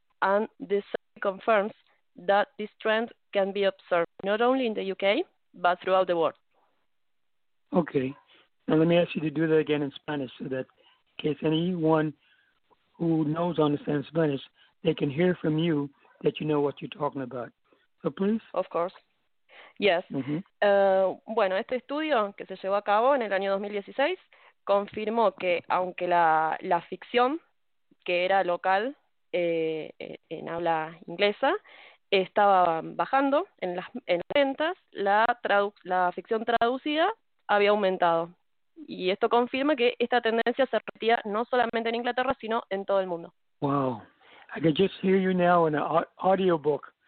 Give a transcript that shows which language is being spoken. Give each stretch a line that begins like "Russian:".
English: And this confirms that this trend can be observed not only in the UK, but throughout the world. Okay. Now let me ask you to do that again in Spanish so that in case anyone who knows understands Spanish, they can hear from you that you know what you're talking about. So please. Of course. Yes. Mm-hmm.
Spanish: Bueno, este estudio que se llevó a cabo en el año 2016 confirmó que aunque la ficción, que era local en habla inglesa, estaba bajando en las ventas, la ficción traducida había aumentado. Y esto confirma que esta tendencia se repetía no solamente en Inglaterra, sino en todo el mundo.
English: Wow. I can just hear you now in an audiobook.